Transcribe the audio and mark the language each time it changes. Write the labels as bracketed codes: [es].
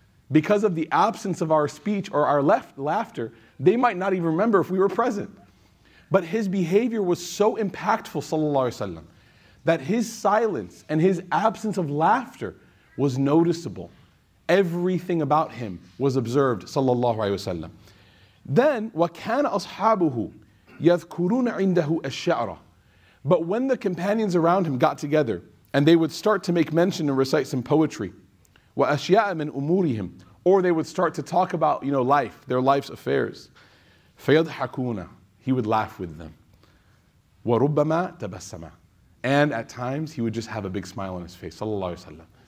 [en] Because of the absence of our speech or our laughter, they might not even remember if we were present. But his behavior was so impactful, sallallahu alaihi wasallam, that his silence and his absence of laughter was noticeable. Everything about him was observed, sallallahu alaihi wasallam. Then, [ar] وَكَانَ أَصْحَابُهُ يَذْكُرُونَ عِنْدَهُ الشَّعْرَ. [en] But when the companions around him got together, and they would start to make mention and recite some poetry, [ar] وَأَشْيَاءَ مِنْ أُمُورِهِمْ, [en] or they would start to talk about, you know, life, their life's affairs, [ar] فَيَضْحَكُونَ, [en] he would laugh with them, [ar] وَرُبَّمَا تَبَسَّمَ, [en] and at times he would just have a big smile on his face, [ar] صلى الله عليه وسلم.